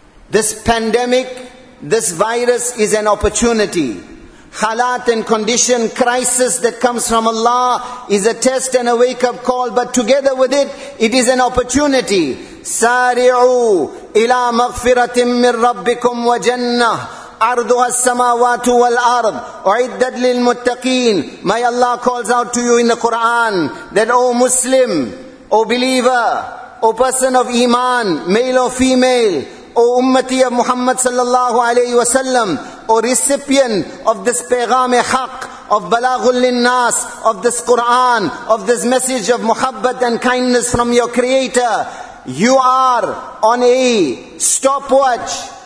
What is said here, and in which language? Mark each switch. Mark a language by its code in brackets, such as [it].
[en] This pandemic, this virus is an opportunity. Halat and condition, crisis that comes from Allah is a test and a wake-up call, but together with it, it is an opportunity. [ar] Sari'u ila maghfiratin min rabbikum wa jannah. أرضها السماوات والأرض أعدت للمتقين. [en] My Allah calls out to you in the Quran that, O Muslim, O believer, O person of Iman, male or female, O Ummati of Muhammad sallallahu alayhi wa sallam, O recipient of this Peygham-e-Haq, of Balaghul Linnas, of this Quran, of this message of muhabbat and kindness from your Creator, you are on a stopwatch.